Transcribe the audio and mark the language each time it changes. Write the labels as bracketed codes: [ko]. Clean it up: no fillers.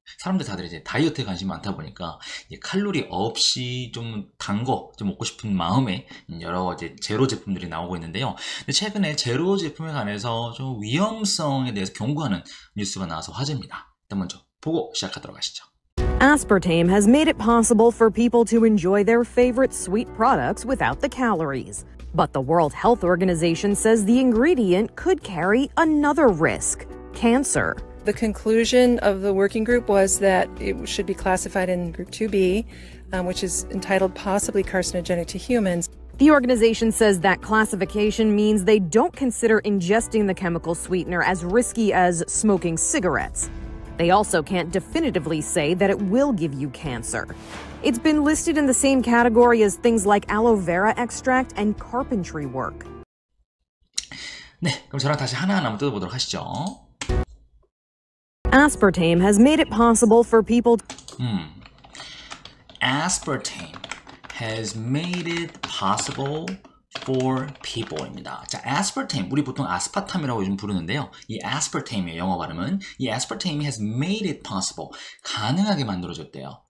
[ko] 사람들 다들 이제 다이어트에 관심이 많다 보니까, 이제 칼로리 없이 좀단 거, 좀 먹고 싶은 마음에 여러 이제 제로 제품들이 나오고 있는데요. 근데 최근에 제로 제품에 관해서 좀 위험성에 대해서 경고하는 뉴스가 나와서 화제입니다. 일단 먼저 보고 시작하도록 하시죠. [en] Aspartame has made it possible for people to enjoy their favorite sweet products without the calories. But the World Health Organization says the ingredient could carry another risk, cancer. The conclusion of the working group was that it should be classified in group 2B, which is entitled possibly carcinogenic to humans. The organization says that classification means they don't consider ingesting the chemical sweetener as risky as smoking cigarettes. They also can't definitively say that it will give you cancer. It's been listed in the same category as things like aloe vera extract and carpentry work. [ko] 네, 그럼 저랑 다시 하나하나 한번 뜯어보도록 하시죠. [en] Aspartame has made it possible for people Aspartame has made it possible for people [ko] 입니다. 자, aspartame 우리 보통 아스파탐이라고 요즘 부르는데요. 이 aspartame의 영어 발음은 이 [en] aspartame has made it possible [ko] 가능하게 만들어졌대요.